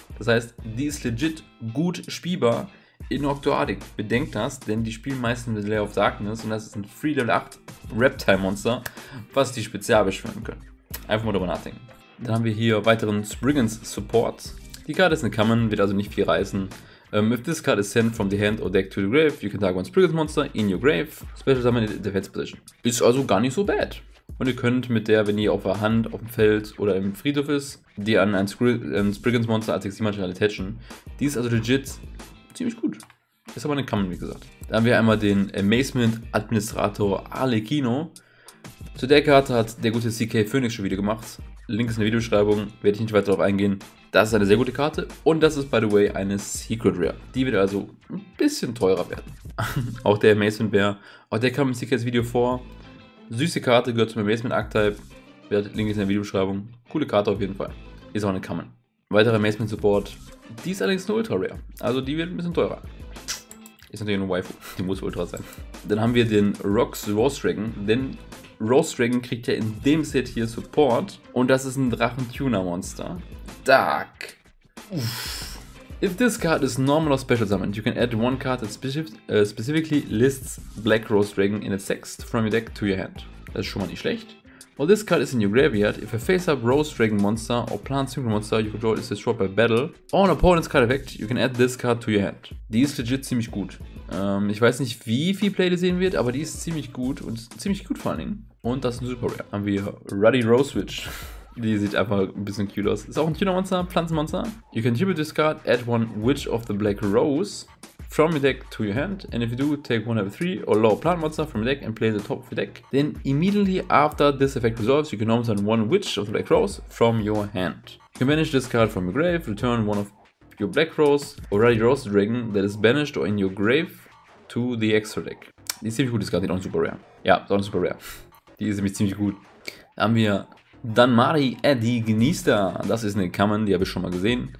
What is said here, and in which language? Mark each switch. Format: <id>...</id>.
<de>Das heißt, die ist legit gut spielbar. In Octoadic, bedenkt das, denn die spielen meistens mit Layer of Darkness und das ist ein 3 Level 8 Reptile Monster, was die spezial beschwören können. Einfach mal drüber nachdenken. Dann haben wir hier weiteren Spriggans Support. Die Karte ist eine Common, wird also nicht viel reißen.</de> <en>If this card is sent from the hand or deck to the grave, you can target one Spriggans Monster in your grave. Special Summon in the Defense Position.</en> <de>Ist also gar nicht so bad. Und ihr könnt mit der, wenn ihr auf der Hand, auf dem Feld oder im Friedhof ist, die an ein Spriggans Monster als Exilmaterial attachen. Die ist also legit. Ziemlich gut. Ist aber eine Common, wie gesagt. Da haben wir einmal den Amazement Administrator Alekino. Zu der Karte hat der gute CK Phoenix schon wieder gemacht. Link ist in der Videobeschreibung, werde ich nicht weiter darauf eingehen. Das ist eine sehr gute Karte und das ist,</de> <en>by the way,</en> <de>eine Secret Rare. Die wird also ein bisschen teurer werden. Auch der Amazement Bear, auch der kam im CKs Video vor. Süße Karte, gehört zum Amazement Archetype. Link ist in der Videobeschreibung. Coole Karte auf jeden Fall. Ist auch eine Common. Weiterer Amazement Support. Die ist allerdings eine Ultra Rare, also die wird ein bisschen teurer. Ist natürlich eine Waifu, die muss Ultra sein. Dann haben wir den Rocks Rose Dragon, denn Rose Dragon kriegt ja in dem Set hier Support und das ist ein Drachen-Tuner-Monster. Dark.</de> <en>Uff. If this card is normal or special summoned, you can add one card that specifically lists Black Rose Dragon in its text from your deck to your hand.</en> <de>Das ist schon mal nicht schlecht.</de> <en>While this card is in your graveyard, if a face-up Rose Dragon Monster or Plant Synchro Monster you control is destroyed by battle or an opponent's card effect, you can add this card to your hand.</en> <de>Die ist legit ziemlich gut. Ich weiß nicht, wie viel Play die sehen wird, aber die ist ziemlich gut und ziemlich gut vor allen Dingen. Und das ist ein Super Rare. Haben wir Ruddy Rose Witch. Die sieht einfach ein bisschen cute aus. Ist auch ein Kino-Monster, Pflanzenmonster.</de> <en>You can tribute discard, add one Witch of the Black Rose from your deck to your hand. And if you do, take one of the three or lower plant monster from your deck and play the top of your deck. Then immediately after this effect resolves, you can normalize one Witch of the Black Rose from your hand. You can banish this card from your grave, return one of your Black Rose or Ruddy Rose Dragon that is banished or in your grave to the extra deck.</en> <de>Die ist ziemlich gut, die Skat, die ist auch super rare. Ja, ist auch super rare. Die ist nämlich ziemlich gut. Da haben wir Danmari Eddie Genista. Das ist eine Common, die habe ich schon mal gesehen.</de>